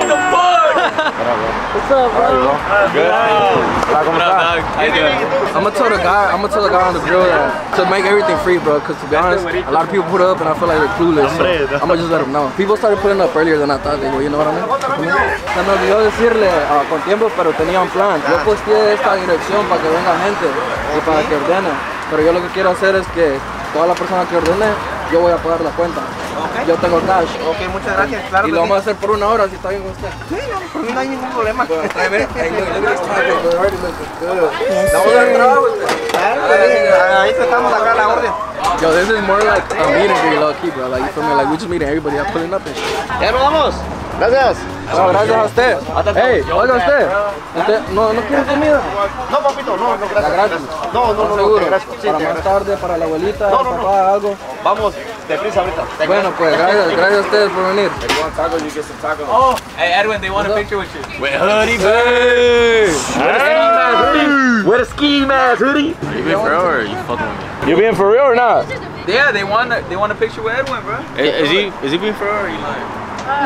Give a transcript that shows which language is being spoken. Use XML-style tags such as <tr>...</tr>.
<en>What's up, bro? What's up, bro? Good. I'm gonna tell the guy on the grill that to make everything free, bro, because to be honest, a lot of people put up and I feel like they're clueless. So I'm gonna just let them know. People started putting up earlier than I thought they would, you know what I mean?</en> <es>Se me olvidó decirle con tiempo, pero tenía un plan. Yo posteé esta dirección para que venga gente y para que ordene. Pero yo lo que quiero hacer es que toda la persona que ordene, yo voy a pagar la cuenta.</es> <en>Okay.</en> <es>Yo tengo cash. Ok, muchas gracias. Claro. Y lo vamos a hacer por una hora, si está bien con usted. Sí, no, por mí no hay ningún problema. Vamos a entrar, ahí estamos acá la orden.</es> <en>Yo, this is more like a meeting for you, low key, bro. Like, you feel me? Like, we just meeting everybody. I'm pulling up and shit.</en> <es>Ya nos vamos. Gracias. No, gracias a usted. Hey, oiga usted. ¿No quiere comida? No, papito, no, gracias. La gratis. No, seguro. Para más tarde, para la abuelita, para papá, algo. Vamos. Bueno, pues, gracias, gracias a ustedes por venir.</es> <en>If you want tacos, you get some tacos. Oh, hey, Edwin, they want a picture with you. With hoodie, with a ski mask hoodie. Are you being for real or are you fucking with me? You being for real or not? Yeah, they want a picture with Edwin, bro. Is he being for real or are you lying?</en>